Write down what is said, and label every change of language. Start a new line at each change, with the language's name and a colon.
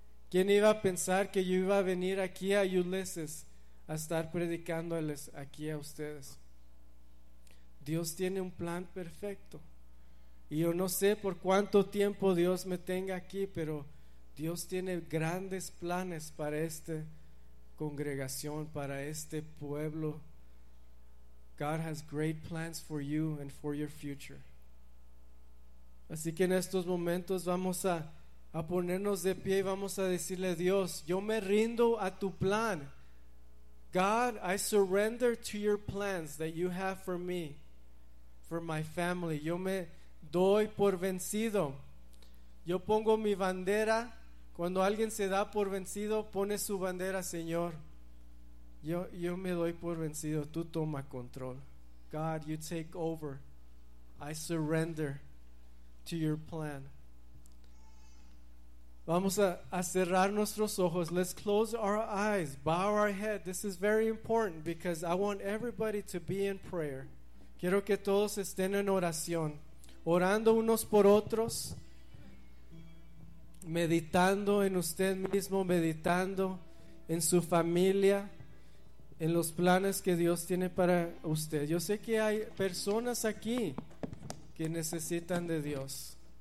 Spanish: ¿Quién iba a pensar que yo iba a venir aquí a Ulises a estar predicándoles aquí a ustedes? Dios tiene un plan perfecto. Y yo no sé por cuánto tiempo Dios me tenga aquí, pero Dios tiene grandes planes para esta congregación, para este pueblo.
English: God has great plans for you and for your future.
Spanish: Así que en estos momentos vamos a ponernos de pie y vamos a decirle a Dios, yo me rindo a tu plan.
English: God, I surrender to your plans that you have for me, for my family.
Spanish: Yo me doy por vencido. Yo pongo mi bandera. Cuando alguien se da por vencido, pone su bandera, Señor. Yo me doy por vencido. Tú toma control.
English: God, you take over. I surrender to your plan.
Spanish: Vamos a cerrar nuestros ojos.
English: Let's close our eyes. Bow our head. This is very important because I want everybody to be in prayer.
Spanish: Quiero que todos estén en oración, orando unos por otros, meditando en usted mismo, meditando en su familia, en los planes que Dios tiene para usted. Yo sé que hay personas aquí que necesitan de Dios.